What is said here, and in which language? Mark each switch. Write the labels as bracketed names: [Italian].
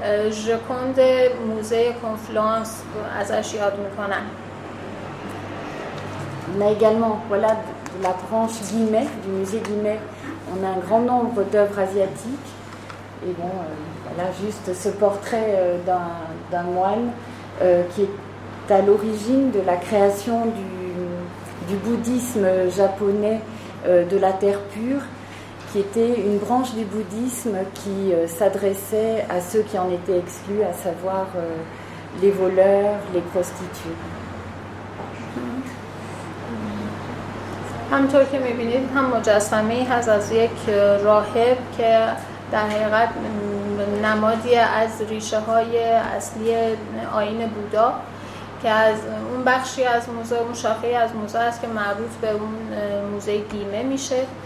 [Persian] ژکوند موزه کنفلانس ازش یاد میکنم. [French] On a également, voilà, de la branche Guimet, du musée Guimet, on a un grand nombre d'œuvres asiatiques. Et bon, voilà, juste ce portrait d'un moine qui est à l'origine de la création du bouddhisme japonais de la terre pure, qui était une branche du bouddhisme qui s'adressait à ceux qui en étaient exclus, à savoir les voleurs, les prostituées. [Persian] همطور که میبینید هم مجسمه هست از یک راهب که در حقیقت نمادی از ریشه های اصلی آیین بودا که از اون بخشی از موزه، اون شاخه از موزه است که مربوط به اون موزه گیمه میشه.